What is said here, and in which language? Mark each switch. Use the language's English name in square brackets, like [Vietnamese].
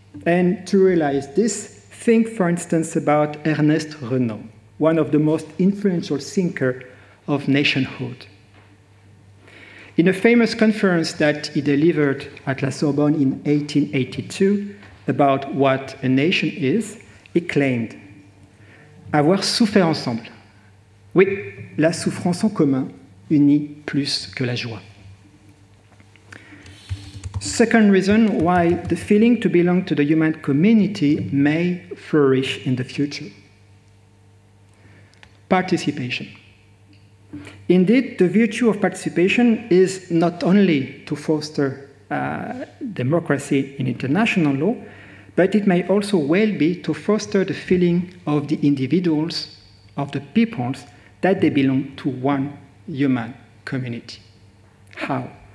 [English] And to realize this, think, for instance, about Ernest Renan, one of the most influential thinkers of nationhood. In a famous conference that he delivered at La Sorbonne in 1882 about what a nation is, he claimed, [French] "Avoir souffert ensemble." Oui, la souffrance en commun unit plus que la joie. [English] Second reason why the feeling to belong to the human community may flourish in the future. Participation. Indeed, the virtue of participation is not only to foster democracy in international law, but it may also well be to foster the feeling of the individuals, of the peoples, that they belong to one human community. How?